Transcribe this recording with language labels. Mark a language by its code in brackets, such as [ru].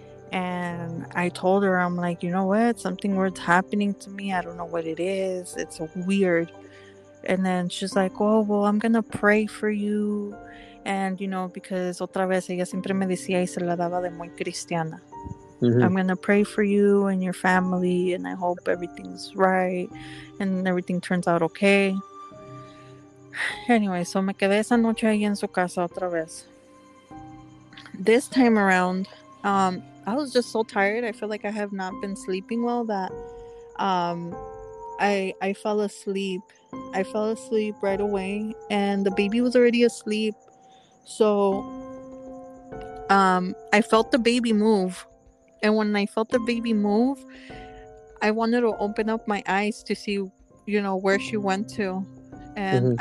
[en] And I told her, I'm like, you know what? Something weird's happening to me. I don't know what it is. It's weird. And then she's like, oh, well, I'm going to pray for you. And, you know, because [es] otra vez ella siempre me decía y se la daba de muy cristiana. [en] Mm-hmm. I'm going to pray for you and your family, and I hope everything's right and everything turns out okay. Anyway, so [es] me quedé esa noche ahí en su casa otra vez. [en] This time around, I was just so tired. I feel like I have not been sleeping well that I fell asleep. I fell asleep right away, and the baby was already asleep. So I felt the baby move, and when I felt the baby move, I wanted to open up my eyes to see, you know, where she went to. And mm-hmm.